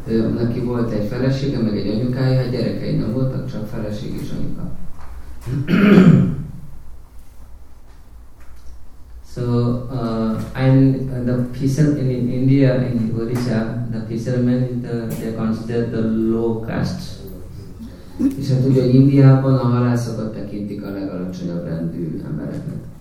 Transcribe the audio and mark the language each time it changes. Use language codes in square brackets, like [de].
[hu] Neki volt egy felesége, meg egy anyukája, a gyerekei nem voltak, csak feleség és anyuka. [en] So and the fisherman in India, in Odisha, the fisherman is they consider the low caste. [hu] És hát ugye Indiában a halászokat tekintik a legalacsonyabb rendű embereknek.